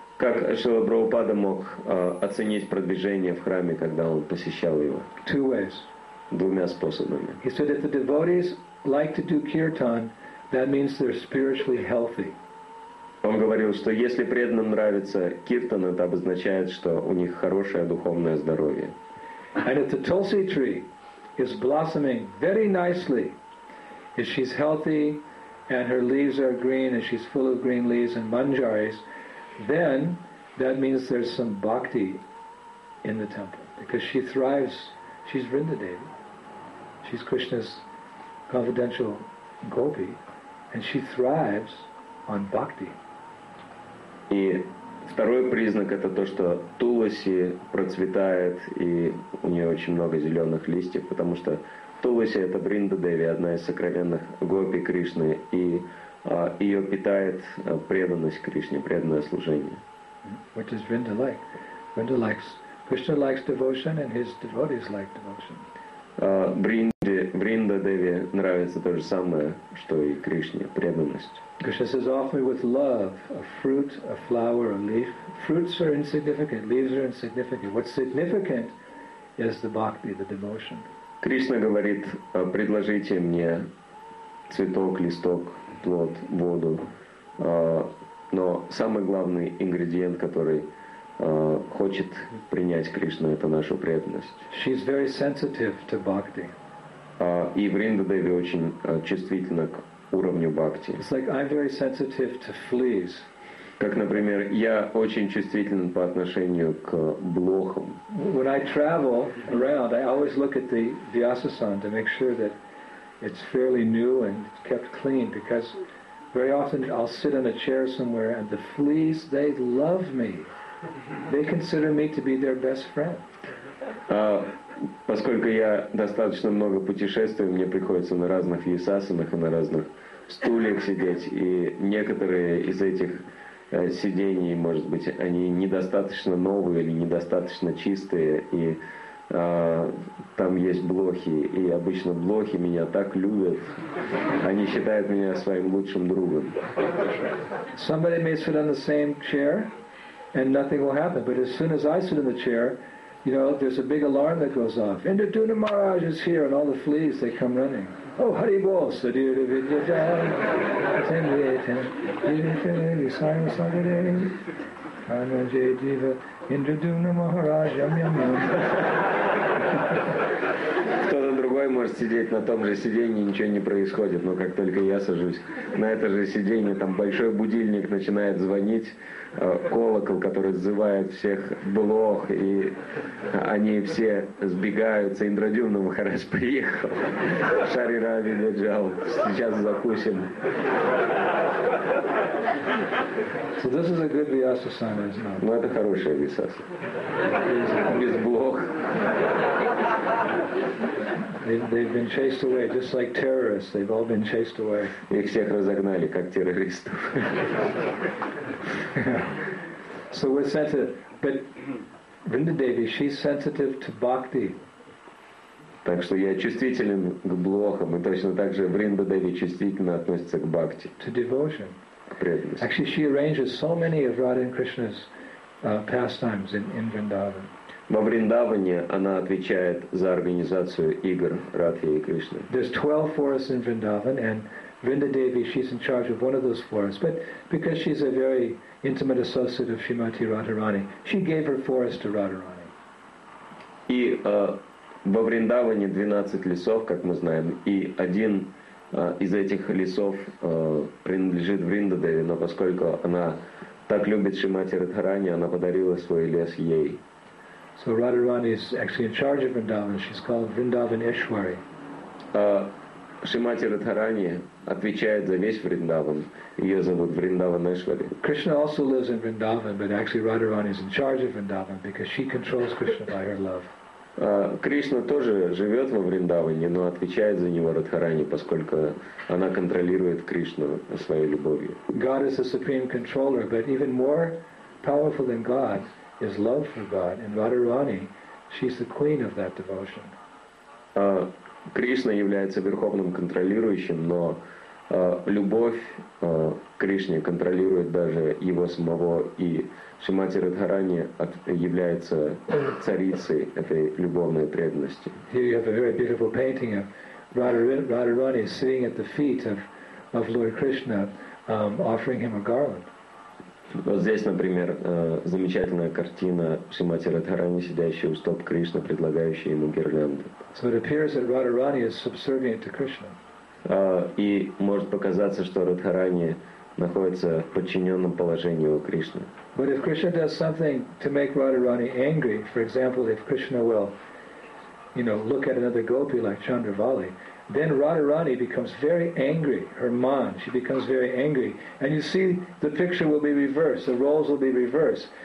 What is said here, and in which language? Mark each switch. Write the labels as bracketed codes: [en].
[ru] Как Шрила Прабхупада мог оценить продвижение в храме, когда он посещал его? [en] Two ways. [ru] Двумя способами. [en] He said, if the devotees like to do kirtan, that means they're spiritually healthy. [ru] Он говорил, что если преданным нравится киртан, это обозначает, что у них хорошее духовное здоровье. [en] And if the tulsi tree is blossoming very nicely, if she's healthy and her leaves are green and she's full of green leaves and manjaris, then that means there's some bhakti in the temple because she thrives. She's Vrindadevi. She's Krishna's confidential gopi, and she thrives on bhakti. [ru] И второй признак это то, что туласи процветает и у нее очень много зеленых листьев, потому что туласи это Вриндадеви, одна из сокровенных гопи Кришны и ее питает преданность Кришне, преданное служение. [en] What does Vrinda like? Vrinda likes Krishna likes devotion and his devotees like devotion. [ru] Vrinda Devi нравится то же самое, что и Кришне, преданность. [en] Krishna says, offer me with love a fruit, a flower, a leaf. Fruits are insignificant, leaves are insignificant. What's significant is the bhakti, the devotion. [ru] Кришна говорит, предложите мне цветок, листок, плод, воду. Но самый главный ингредиент, который хочет принять Кришну, это нашу преданность. [en] She's very sensitive to bhakti. [ru] И Вриндадеви очень чувствительна к уровню бхакти. [en] It's like I'm very sensitive to fleas. [ru] Как, например, я очень чувствителен по отношению к блохам. [en] When I travel around, I always look at the vyasasan to make sure that it's fairly new and kept clean, because very often I'll sit in a chair somewhere and the fleas, they love me. They consider me to be their best friend. [ru] Поскольку я достаточно много путешествую, мне приходится на разных висасанах и на разных стульях сидеть, и некоторые из этих сидений, может быть, они недостаточно новые или недостаточно чистые, и там есть блохи, и обычно блохи меня так любят, они считают меня своим лучшим другом. [en] Somebody may sit on the same chair, and nothing will happen. But as soon as I sit in the chair, you know, there's a big alarm that goes off. Indraduna Maharaj is here, and all the fleas, they come running. Oh, Hari Bol, Sadhiri Vidyajan, Tendriyatan, Vidyatan, Yisayam Sagadevi, Anajay Jiva, Indraduna Maharaj, Yam Yam Yam. [ru] Кто-то другой может сидеть на том же сиденье, ничего не происходит, но как только я сажусь на это же сиденье, там большой будильник начинает звонить, колокол, который взывает всех блох, и они все сбегаются, Индрадюна Махарадж приехал, Шарирави Джал, сейчас закусим. [en] So this is a good Vyasasana, isn't it? [ru] Ну, это хорошая Vyasasana. Без блох. [en] They've been chased away, just like terrorists. They've all been chased away. [ru] Их всех разогнали, как террористов. [en] So we're sensitive. But Vrindadevi, she's sensitive to bhakti. [ru] Так что я чувствителен к блохам, и точно так же Vrindadevi чувствительно относится к бхакти. [en] To devotion. Actually, she arranges so many of Radha and Krishna's pastimes in Vrindavan. [ru] Во Вриндаване она отвечает за организацию игр Радхи и Кришны. [en] There's 12 forests in Vrindavan, and Vrindadevi, she's in charge of one of those forests. But because she's a very intimate associate of Srimati Radharani, she gave her forest to Radharani. [ru] И во Вриндаване 12 лесов, как мы знаем, и один из этих лесов принадлежит Вриндадеви, но поскольку она так любит Шримати Радхарани, она подарила свой лес ей. [en] So Radharani is actually in charge of Vrindavan. She's called Vrindavan Ishwari. [ru] Шримати Радхарани отвечает за весь Вриндаван. Ее зовут Вриндаван Ишвари. [en] Krishna also lives in Vrindavan, but actually Radharani is in charge of Vrindavan because she controls Krishna by her love. [ru] Кришна тоже живет во Вриндаване, но отвечает за него Радхарани, поскольку она контролирует Кришну своей любовью. [en] God is the supreme controller, but even more powerful than God is love for God. And Radharani, she's the queen of that devotion. [ru] Кришна является верховным контролирующим, но любовь Кришне контролирует даже его самого, и Шримати Радхарани является царицей этой любовной преданности. [en] Here you have a very beautiful painting of Radharani sitting at the feet of Lord Krishna, offering him a garland. [ru] Вот здесь, например, замечательная картина Шримати Радхарани, сидящей у стоп Кришны, предлагающей ему гирлянду. [en] So it appears that Radharani is subservient to Krishna. [ru] И может показаться, что Радхарани находится в подчиненном положении у Кришны. [en] But if Krishna does something to make Radharani angry, for example, if Krishna will, you know, look at another gopi like Chandravali, then Radharani becomes very angry, her man, she becomes very angry. And you see, the picture will be reversed, the roles will be reversed.